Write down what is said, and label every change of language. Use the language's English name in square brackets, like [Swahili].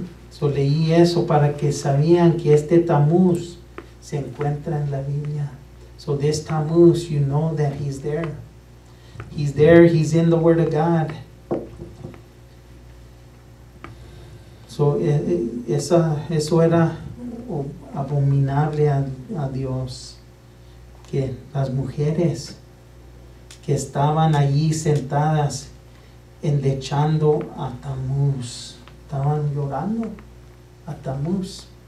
[Spanish] So leí eso para que sabían que este Tamuz se encuentra en la Biblia. [English] So this Tamuz, you know that he's there. He's there, he's in the Word of God. [Spanish] So eso era abominable a Dios, que las mujeres que estaban allí sentadas endechando a Tamuz, estaban llorando a Tamuz.